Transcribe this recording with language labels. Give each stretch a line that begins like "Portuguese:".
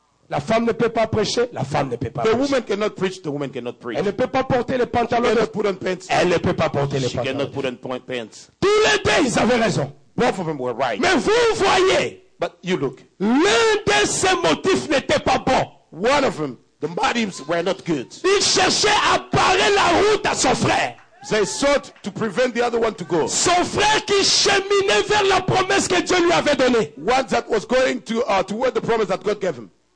French: La femme ne peut pas prêcher, la femme ne peut pas prêcher.
English: The woman cannot preach, the woman cannot preach.
French: Elle ne peut pas porter les pantalons.
English: She cannot put on pants.
French: Elle ne peut pas porter les pantalons.
English: She cannot put on pants.
French: Tous les deux, ils avaient raison.
English: Both of them were right.
French: Mais vous voyez.
English: But you look.
French: L'un de ces motifs n'était pas bon.
English: One of them, the motives were not good.
French: Il cherchait à barrer la route à son frère.
English: They sought to prevent the other one to go.
French: Son frère qui cheminait vers la promesse que Dieu lui avait donnée.
English: One that was going toward the promise that God gave him.